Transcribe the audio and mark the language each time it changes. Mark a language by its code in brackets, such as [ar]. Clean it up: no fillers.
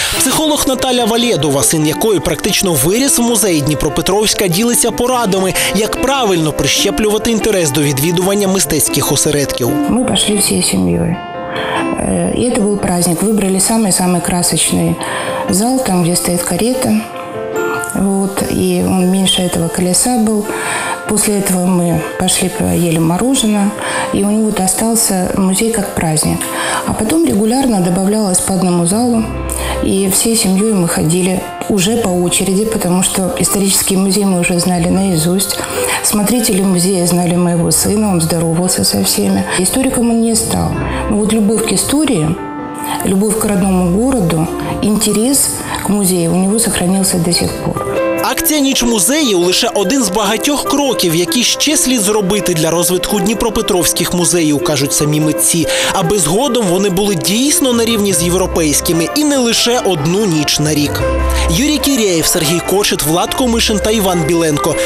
[uk] Психолог Наталя Валєдова, син якої практично виріс в музеї Дніпропетровська, ділиться порадами, як правильно прищеплювати інтерес до відвідування мистецьких осередків. Ми пішли всією сім'єю. І це був праздник. Вибрали самий красочний зал, там, де стоїть карета. От, і він менше цього колеса був. [ru] После этого мы пошли поели мороженое, и у него остался музей как праздник. А потом регулярно добавлялось по одному залу, и всей семьей мы ходили уже по очереди, потому что исторический музей мы уже знали наизусть. Смотрители музея знали моего сына, он здоровался со всеми. Историком он не стал. Но вот любовь к истории, любовь к родному городу, интерес к музею у него сохранился до сих пор. [uk] Акція «Ніч музеїв» – лише один з багатьох кроків, які ще слід зробити для розвитку дніпропетровських музеїв, кажуть самі митці. Аби згодом вони були дійсно на рівні з європейськими і не лише одну ніч на рік. Юрій Кіряєв, Сергій Кошит, Влад Комишин та Іван Біленко.